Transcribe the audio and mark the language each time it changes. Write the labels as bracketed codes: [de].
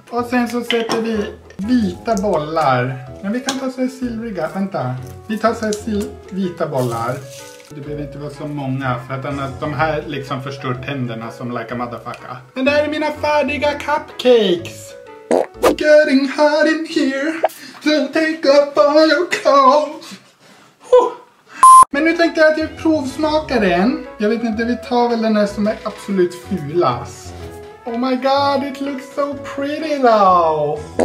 [sv] Och sen så sätter vi vita bollar. Men vi kan ta så här silvriga, vänta. Vi tar så här vita bollar. Det behöver inte vara så många för att annars, de här liksom förstör tänderna som [en] like a motherfucker. [sv] Men det här är mina färdiga cupcakes. Go! [en] getting hot in here. So take up all your clothes. [sv] Men nu tänkte jag att jag provsmakar den. Jag vet inte, vi tar väl den här som är absolut fulast. [en] Oh my god, it looks so pretty though.